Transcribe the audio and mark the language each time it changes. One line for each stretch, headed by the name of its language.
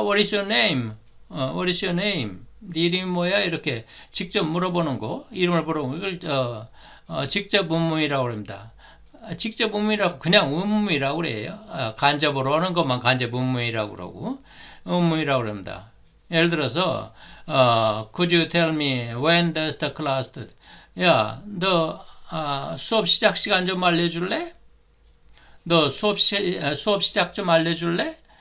English: What is your name? What is your name?
Korean: 네 이름이 뭐야? 이렇게 직접 물어보는 거. 이름을 물어보는 걸 직접 의문이라고 합니다. 직접 의문이라고 그냥 의문이라고 그래요. 간접으로 하는 것만 간접 의문이라고 그러고 의문이라고 합니다. 예를 들어서
English: Could you tell me when does the class start?
Korean: 야, 너 수업 시작 시간 좀 알려줄래? 너 수업 시작 좀 알려줄래?